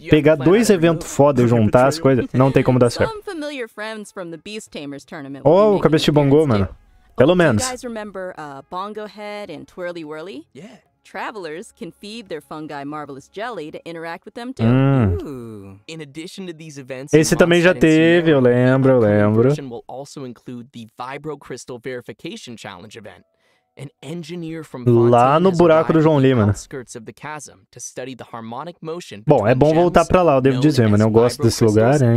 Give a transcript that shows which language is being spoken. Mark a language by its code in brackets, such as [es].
[pt] Pegar dois eventos foda e juntar as coisas, não tem como dar certo. [en] Familiar friends from the Beast Tamers tournament. Oh, [pt] o cabeça de bongo, mano. Pelo menos. [en] Guys remember Bongo Head and Twirly Whirly? Yeah. Travelers can feed their fungi Marvelous Jelly to interact with them too. In addition to these events, [pt] esse também já teve, eu lembro, [en] will also include the Vibro Crystal Verification Challenge event. an engineer from [pt] lá no buraco do João Lima, [en] chasm, to study the harmonic motion. [pt] Bom, é bom voltar para lá, eu devo dizer, mano, eu gosto desse lugar, né?